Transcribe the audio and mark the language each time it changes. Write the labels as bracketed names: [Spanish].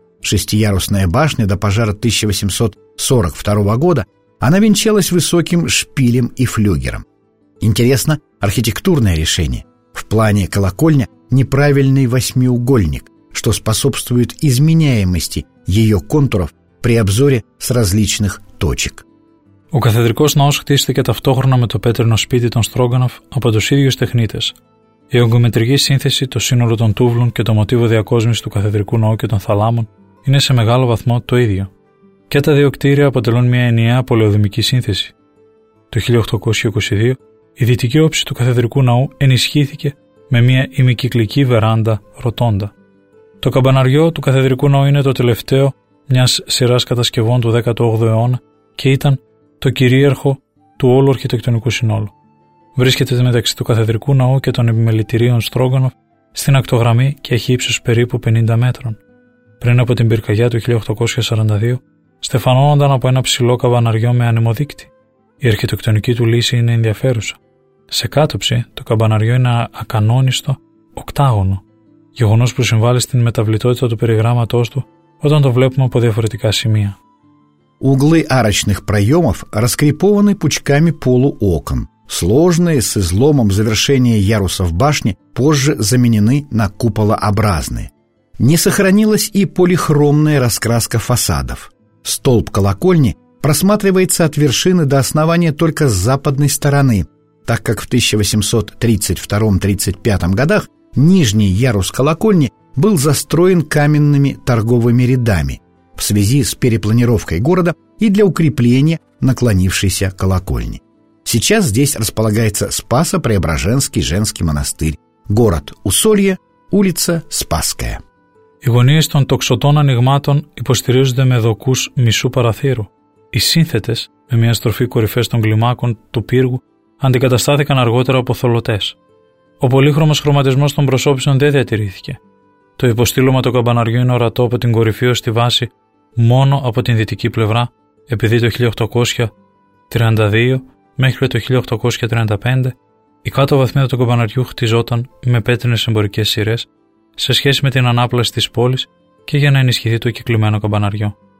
[Russian] Шестиярусная башня до пожара 1842 года, она венчалась высоким шпилем и флюгером. Интересно архитектурное решение. В плане колокольня неправильный восьмиугольник, что способствует изменяемости ее контуров при обзоре с различных точек. [Greek] Ο καθεδρικός ναός χτίστηκε ταυτόχρονα με το πέτρινο σπίτι των Στρόγκανοφ από τους ίδιους τεχνίτες. Η ογκομετρική σύνθεση, το σύνολο των τούβλων και το μοτίβο διακόσμησης του καθεδρικού ναού και των θαλάμων είναι σε μεγάλο βαθμό το ίδιο. Και τα δύο κτίρια αποτελούν μια ενιαία πολεοδομική σύνθεση. Το 1822 η δυτική όψη του καθεδρικού ναού ενισχύθηκε με μια ημικυκλική βεράντα ροτόντα. Το καμπαναριό του καθεδρικού ναού είναι το τελευταίο μιας σειράς κατασκευών του 18ου αιώνα και ήταν το κυρίαρχο του όλου αρχιτεκτονικού συνόλου. Βρίσκεται μεταξύ του καθεδρικού ναού και των επιμελητηρίων Στρόγκανοφ στην ακτογραμμή και έχει ύψος περίπου 50 μέτρων. Πριν από την πυρκαγιά του 1842, στεφανώνονταν από ένα ψηλό καμπαναριό με ανεμοδείκτη. Η αρχιτεκτονική του λύση είναι ενδιαφέρουσα. Σε κάτωψη, το καμπαναριό είναι ακανόνιστο οκτάγωνο, γεγονός που συμβάλλει στην μεταβλητότητα του περιγράμματός του όταν το βλέπουμε από διαφορετικά σημεία. [Russian] Углы арочных проемов раскрепованы пучками полуокон. Сложные с изломом завершения ярусов башни позже заменены на куполообразные. Не сохранилась и полихромная раскраска фасадов. Столб колокольни просматривается от вершины до основания только с западной стороны, так как в 1832-35 годах нижний ярус колокольни был застроен каменными торговыми рядами в связи с перепланировкой города и для укрепления наклонившейся колокольни. Сейчас здесь располагается Спасо-Преображенский женский монастырь, город Усолье, улица Спасская. [Greek] Οι γωνίες των τοξωτών ανοιγμάτων υποστηρίζονται με δοκούς μισού παραθύρου. Οι σύνθετες, με μια στροφή κορυφές των κλιμάκων του πύργου, αντικαταστάθηκαν αργότερα από θολωτές. Ο πολύχρωμος χρωματισμός των προσώπων δεν διατηρήθηκε. Το υποστήλωμα του καμπαναριού είναι ορατό από την κορυφή ως τη βάση μόνο από την δυτική πλευρά, επειδή το 1832 μέχρι το 1835 η κάτω βαθμίδα του καμπαναριού χτιζόταν με πέτρινες εμπορικές σειρές σε σχέση με την ανάπλαση της πόλης και για να ενισχυθεί το κυκλωμένο καμπαναριό.